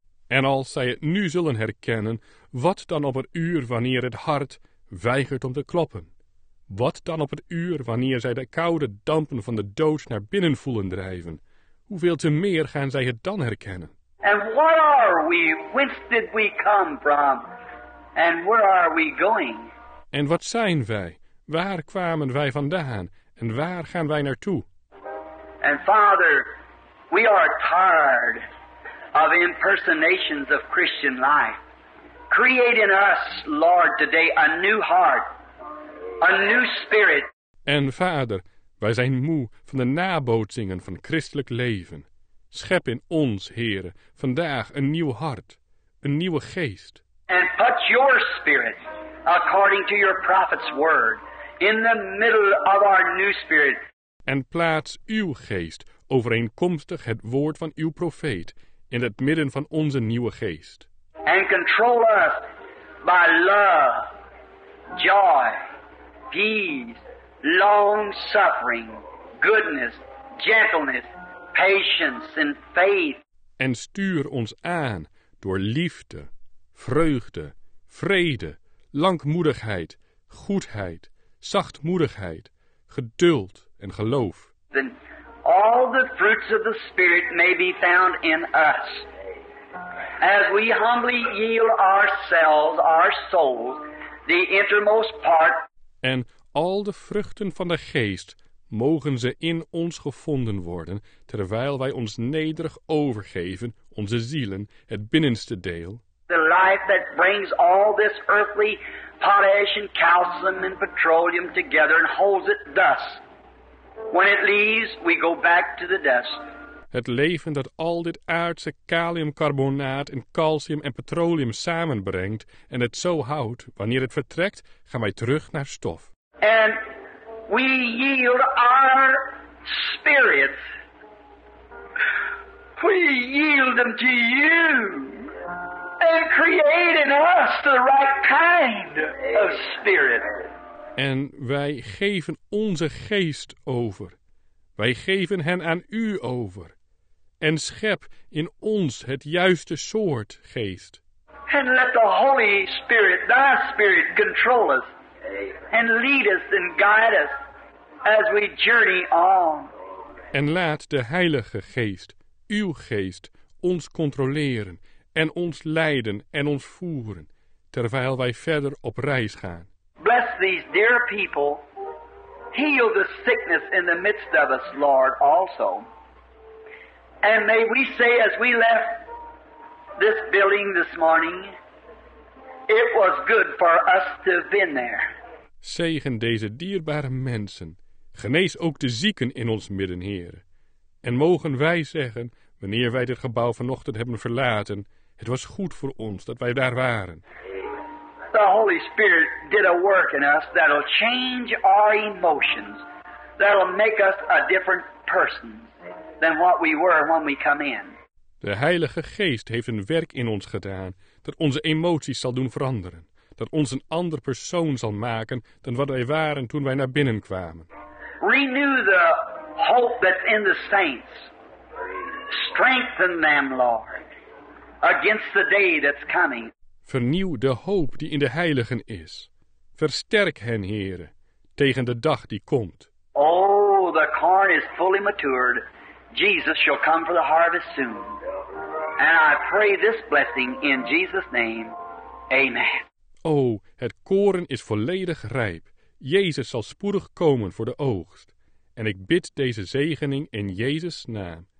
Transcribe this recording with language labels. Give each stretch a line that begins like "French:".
Dutch: En als zij het nu zullen herkennen, wat dan op het uur wanneer het hart weigert om te kloppen? Wat dan op het uur wanneer zij de koude dampen van de dood naar binnen voelen drijven? Hoeveel te meer gaan zij het dan herkennen?
English: And what are we? Whence did we come from? And where are we going?
Dutch: En wat zijn wij? Waar kwamen wij vandaan? En waar gaan wij naartoe?
English: And Father, we are tired of impersonations of Christian life. Create in us, Lord, today a new heart. A new spirit.
Dutch: En Vader, wij zijn moe van de nabootsingen van christelijk leven. Schep in ons, Heere, vandaag een nieuw hart, een nieuwe geest.
English: And put your spirit, according to your prophet's word, in the middle of our new spirit.
Dutch: En plaats uw geest, overeenkomstig het woord van uw profeet, in het midden van onze nieuwe geest.
English: And control us by love, joy, peace, long-suffering, goodness, gentleness, patience and faith.
Dutch: En stuur ons aan door liefde, vreugde, vrede, langmoedigheid, goedheid, zachtmoedigheid, geduld en geloof.
English: Then all the fruits of the Spirit may be found in us. As we humbly yield ourselves, our souls, the innermost part.
Dutch: En al de vruchten van de geest mogen ze in ons gevonden worden, terwijl wij ons nederig overgeven, onze zielen, het binnenste deel.
English: The life that brings all this earthly potash and calcium and petroleum together and holds it thus. When it leaves, we go back to the dust.
Dutch: Het leven dat al dit aardse kaliumcarbonaat en calcium en petroleum samenbrengt en het zo houdt, wanneer het vertrekt, gaan wij terug naar stof.
English: And we yield our spirits. We yield them to you. And create in us the right kind of spirit.
Dutch: En wij geven onze geest over. Wij geven hen aan u over. En schep in ons het juiste soort geest.
English: And let the Holy Spirit, thy spirit, control us. And lead us and guide us as we journey on.
Dutch: En laat de Heilige Geest, uw geest, ons controleren en ons leiden en ons voeren, terwijl wij verder op reis gaan.
English: Bless these dear people. Heal the sickness in the midst of us, Lord, also. And may we say as we left this building this morning, it was good for us to have been there.
Dutch: Zegen deze dierbare mensen. Genees ook de zieken in ons midden, Heer. En mogen wij zeggen, wanneer wij dit gebouw vanochtend hebben verlaten, het was goed voor ons dat wij daar waren.
English: The Holy Spirit did a work in us that'll change our emotions, that'll make us a different person than what we were when we come in.
Dutch: De Heilige Geest heeft een werk in ons gedaan dat onze emoties zal doen veranderen, dat ons een ander persoon zal maken dan wat wij waren toen wij naar binnen kwamen.
English: Renew the hope that's in the saints. Strengthen them, Lord, against the day that's coming.
Dutch: Vernieuw de hoop die in de heiligen is. Versterk hen, Heere, tegen de dag die komt.
English: Oh, the corn is fully matured. Jesus shall come for the harvest soon. And I pray this blessing in Jesus' name. Amen.
Dutch: Oh, het koren is volledig rijp. Jezus zal spoedig komen voor de oogst. En ik bid deze zegening in Jezus' naam.